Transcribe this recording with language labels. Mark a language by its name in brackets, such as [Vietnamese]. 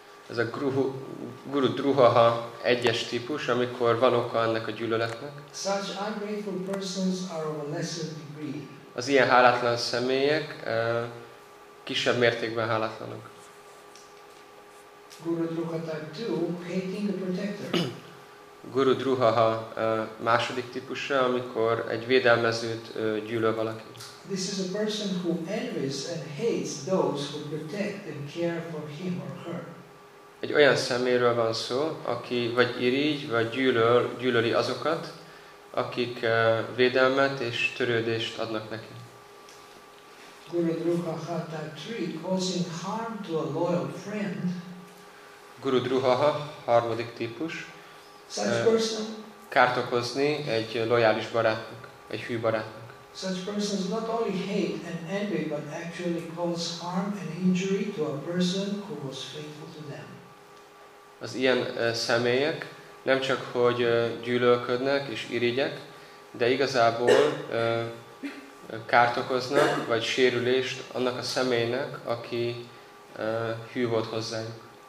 [Hungarian] Ez a Guru Druhaha egyes típus, amikor van oka ennek a gyűlöletnek. [English] Such ungrateful persons are of a lesser degree. [Hungarian] Az ilyen hálátlan személyek kisebb mértékben hálátlanok. [English] Guru Druha type 2, hating the protector. [Hungarian] Guru Druhaha második típusa, amikor egy védelmezőt gyűlöl valaki. [English] This is a person who envies and hates those who protect and care for him or her. [Hungarian] Egy olyan szeméről van szó, aki vagy irigy, vagy gyűlöli azokat, akik védelmet és törődést adnak neki. [English] Guru Druhaha type 3, causing harm to a loyal friend. [Hungarian] Guru Druhaha harmadik típus. [English] Such person, [Hungarian] kárt okozni egy lojális barátnak, egy hű barátnak. [English] Such persons not only hate and envy, but actually cause harm and injury to a person who was faithful to them. [Hungarian] Az ilyen személyek nem csak hogy gyűlölködnek és irigyek, de igazából kárt okoznak vagy sérülést annak a személynek, aki hű volt hozzájuk.